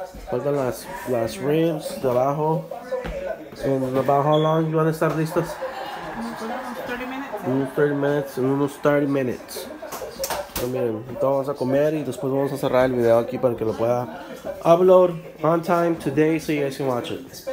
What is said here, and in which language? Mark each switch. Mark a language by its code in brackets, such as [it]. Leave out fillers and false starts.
[es] Faltan las ribs de abajo. [en] In about how long you want to start this? 30 minutes. [es] Unos 30 minutes. Miren, entonces vamos a comer y después vamos a cerrar el video aquí para que lo pueda [en] upload on time today so you guys can watch it.